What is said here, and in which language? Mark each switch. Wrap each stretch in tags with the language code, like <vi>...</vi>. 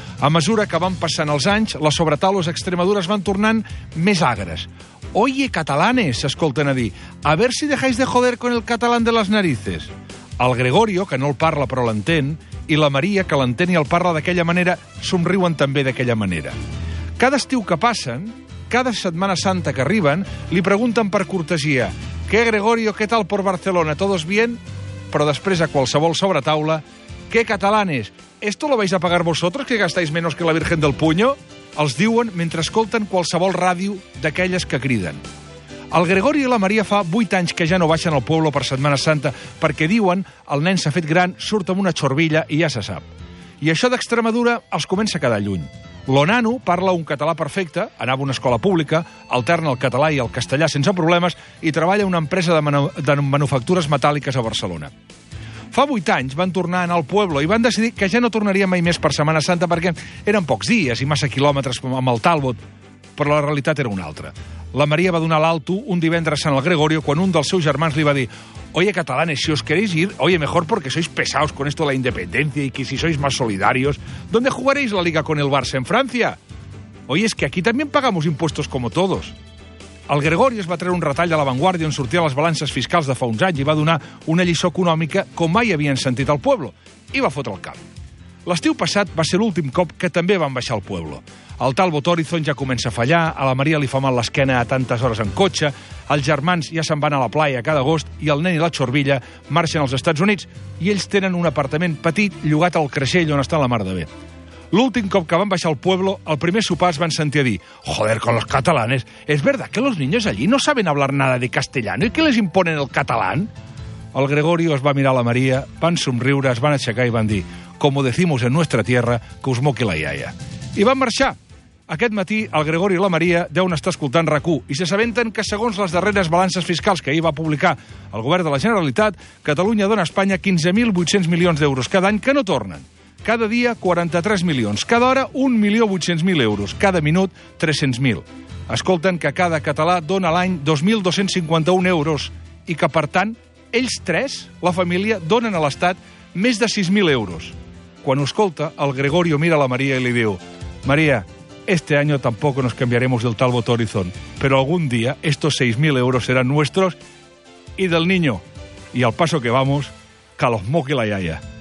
<ca>A mesura que van passant els anys, les sobretaules extremadures van tornant més agres.</ca> <es>Oye, catalanes,</es> <ca>s'escolten a dir,</ca> <es>a ver si dejáis de joder con el catalán de las narices.</es> <ca>El Gregorio, que no el parla però l'entén, i la Maria, que l'entén i el parla d'aquella manera, somriuen també d'aquella manera. Cada estiu que passen, cada Setmana Santa que arriben, li pregunten per cortesia,</ca> <es>¿qué, Gregorio, qué tal por Barcelona, todos bien?</es> <ca>Però després, a qualsevol sobretaula,</ca> <es>¿qué, catalanes, esto lo vais a pagar vosotros, que gastáis menos que la Virgen del Puño?</es> <ca>Els diuen mentre escolten qualsevol ràdio d'aquelles que criden. El Gregorio i la Maria fa 8 anys que ja no baixen al Pueblo per Setmana Santa perquè, diuen, el nen s'ha fet gran, surt amb una xorbilla i ja se sap. I això d'Extremadura els comença a quedar lluny. L'Onano parla un català perfecte, anava a una escola pública, alterna el català i el castellà sense problemes i treballa a una empresa de manufactures metàl·liques a Barcelona. Fa 8 anys van tornar a anar al Pueblo i van decidir que ja no tornaria mai més per Setmana Santa perquè eren pocs dies i massa quilòmetres amb el Talbot, però la realitat era una altra. La Maria va donar l'alto un divendres a Sant Gregorio quan un dels seus germans li va dir</ca> <es>«Oye, catalanes, si os queréis ir, oye, mejor porque sois pesados con esto de la independencia y que si sois más solidarios, ¿dónde jugaréis la liga con el Barça en Francia? Oye, es que aquí también pagamos impuestos como todos».</es> <ca>El Gregorio es va treure un retall de La Vanguardia on sortia les balances fiscals de fa uns anys i va donar una lliçó econòmica com mai havien sentit al Pueblo i va fotre el cap. L'estiu passat va ser l'últim cop que també van baixar al Pueblo. El Talbot Horizon ja comença a fallar, a la Maria li fa mal l'esquena a tantes hores en cotxe, els germans ja se'n van a la playa cada agost i el nen i la xorbilla marxen als Estats Units i ells tenen un apartament petit llogat al Creixell on està la mar de bé. L'últim cop que van baixar al Pueblo, el primer sopar es van sentir a dir</ca> <es>«Joder, con los catalanes, ¿es verdad que los niños allí no saben hablar nada de castellano y que les imponen el catalán?»</es> <ca>El Gregorio es va mirar la Maria, van somriure, es van aixecar i van dir</ca> <es>«Como decimos en nuestra tierra,</es> <ca>que us moqui la iaia». I van marxar. Aquest matí, el Gregorio i la Maria deuen estar escoltant RAC1 i s'assabenten que, segons les darreres balances fiscals que ahir va publicar el govern de la Generalitat, Catalunya dona a Espanya 15.800 milions d'euros cada any que no tornen. Cada dia, 43 milions. Cada hora, 1.800.000 euros. Cada minut, 300.000. Escolten que cada català dona l'any 2.251 euros i que, per tant, ells tres, la família, donen a l'Estat més de 6.000 euros. Quan ho escolta, el Gregorio mira la Maria i li diu</ca> <es>«Maria, este año tampoco nos cambiaremos del Talbot Horizon, pero algún día estos 6.000 euros serán nuestros y del niño. Y al paso que vamos, que los moque la iaia».</es>